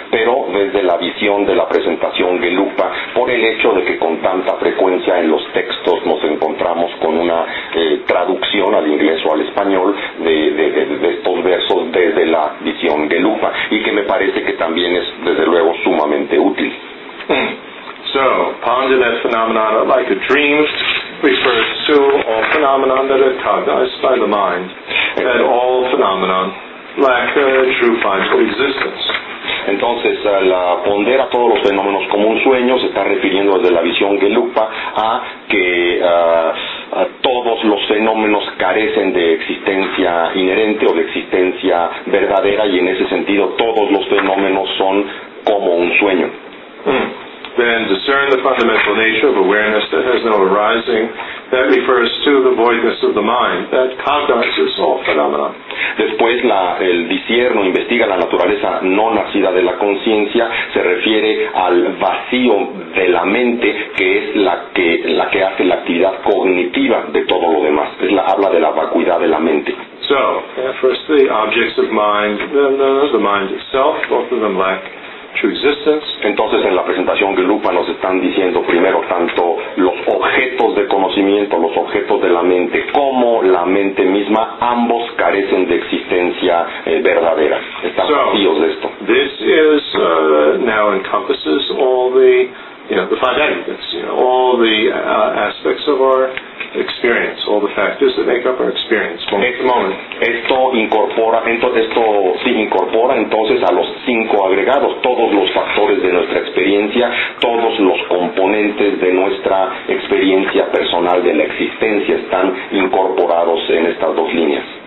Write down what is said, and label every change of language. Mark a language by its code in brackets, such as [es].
[es] Pero desde la visión de la presentación Gelupa, por el hecho de que con tanta frecuencia en los textos nos encontramos con una traducción al inglés o al español de estos versos desde la visión Gelupa, y que me parece que también es desde luego sumamente útil. [en] So, Pandanet phenomenon like a dream refers to all phenomena that are cognized by the mind, and all phenomena lack a true final existence. [es] Entonces, la pondera todos los fenómenos como un sueño se está refiriendo desde la visión Gelupa a que todos los fenómenos carecen de existencia inherente o de existencia verdadera, y en ese sentido todos los fenómenos son como un sueño. [en] Then discern the fundamental nature of awareness that has no arising That refers to the voidness of the mind that cognizes all phenomena. [es] Después, el discierno investiga la naturaleza no nacida de la conciencia, se refiere al vacío de la mente, que es la que hace la actividad cognitiva de todo lo demás. Habla de la vacuidad de la mente. [en] So, first the objects of mind, then the mind itself, both of them lack true existence. [es] Entonces, en la presentación que Lupa nos están diciendo, primero, tanto los objetos de conocimiento, los objetos de la mente, como la mente misma, ambos carecen de existencia verdadera. Están vacíos de esto. [en] This is, now encompasses all the, the five aggregates, all the aspects of our experience, all the factors that make up our experience. [es] Esto incorpora entonces a los cinco agregados, todos los factores de nuestra experiencia, todos los componentes de nuestra experiencia personal de la existencia están incorporados en estas dos líneas.